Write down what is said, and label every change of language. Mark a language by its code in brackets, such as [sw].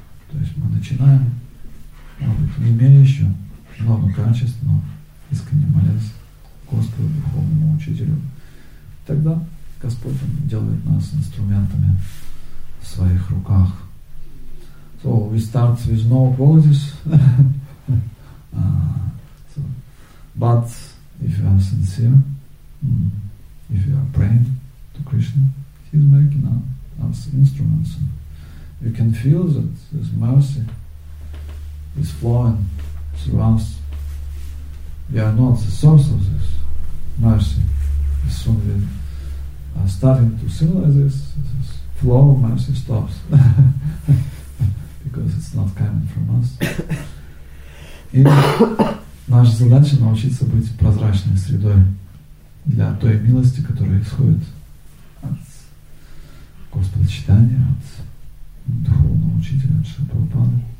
[ru] То есть мы начинаем, может быть, не имея еще много качеств, но искренне молясь Господу, Духовному Учителю. Тогда Господь делает нас инструментами в своих руках. [en] So we start with no qualities, but if you are sincere, if you are praying to Krishna, He is making us instruments. You can feel that His mercy is flowing through us. We are not the source of this mercy. As soon as we are starting to sing like this, this flow of mercy stops. Because it's not coming from us. [ru] И наша задача научиться быть прозрачной средой для той милости, которая исходит от Господа Читания, от Духовного Учителя, от Шри Прабхупады.